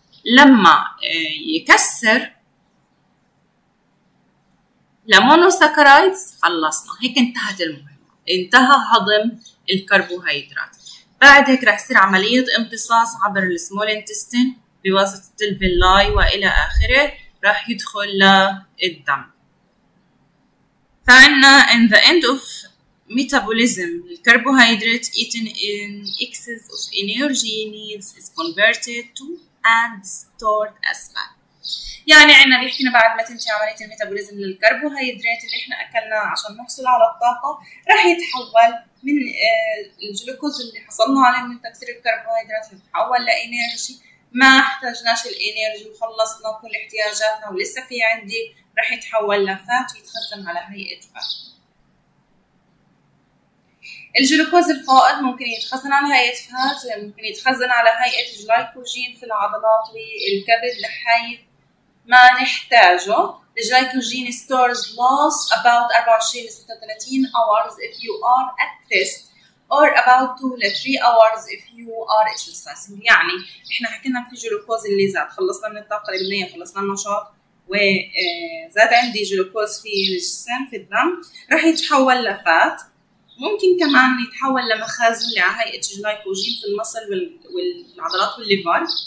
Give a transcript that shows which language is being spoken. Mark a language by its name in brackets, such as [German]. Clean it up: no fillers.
[Arabic] لما يكسر لمونوساكرايدز خلصنا، هيك انتهت المهمة، انتهى هضم الكربوهيدرات. بعد هيك راح يصير عملية امتصاص عبر السمول انتستين بواسطة الفيلاي وإلى آخره، راح يدخل للدم. [English] فعنا in the end of metabolism, carbohydrate eaten in excess of energy needs is converted to and stored as fat. [Arabic] يعني عنا بيحكينا بعد ما تنتهي عملية الميتابوليزم للكربوهيدرات اللي احنا اكلناه عشان نحصل على الطاقة، راح يتحول من الجلوكوز اللي حصلنا عليه من تكسير الكربوهيدرات يتحول لإنرجي، ما احتاجناش الإنرجي وخلصنا كل احتياجاتنا ولسه في عندي، راح يتحول لفات ويتخزن على هيئة فات. الجلوكوز الفائض ممكن يتخزن على هيئة فات، ممكن يتخزن على هيئة جلايكوجين في العضلات والكبد لحيث ما نحتاجه. [English] الجلايكوجين stores loss about 24 to 36 hours if you are at rest or about 2 to 3 hours if you are exercising. [Arabic] يعني احنا حكينا في جلوكوز اللي زاد، خلصنا من الطاقة البدنية، خلصنا النشاط وزاد عندي جلوكوز في الجسم في الدم، راح يتحول لفات. ممكن كمان يتحول لمخازن لهيئة جلايكوجين في المصل والعضلات والليفر.